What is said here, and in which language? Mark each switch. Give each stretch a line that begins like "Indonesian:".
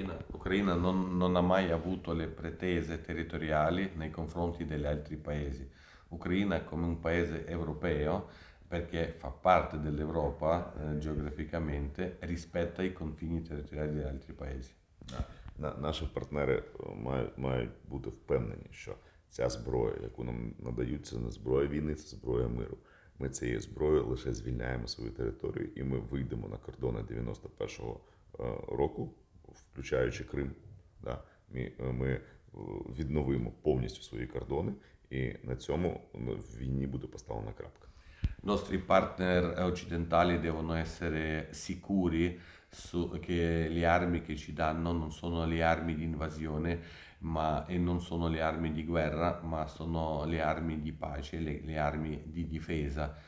Italian: Україна non ha mai avuto le pretese territoriali nei confronti degli altri paesi. Ucraina come un paese europeo, perché fa parte dell'Europa geograficamente, rispetta i confini territoriali degli altri paesi.
Ukrainian: Наші партнери мають бути впевнені, що ця зброя, яку нам надають, це не зброя війни, це зброя миру. Ми цією зброєю лише звільняємо свою територію, і ми вийдемо на кордони 91-го року, включаючи Крим. Да? Ми відновимо повністю свої кордони, і на цьому в війні буде поставлена крапка.
Italian: Nostri partner occidentali devono essere sicuri che le armi che ci danno non sono le armi di invasione e non sono le armi di guerra, ma sono le armi di pace, le armi di difesa.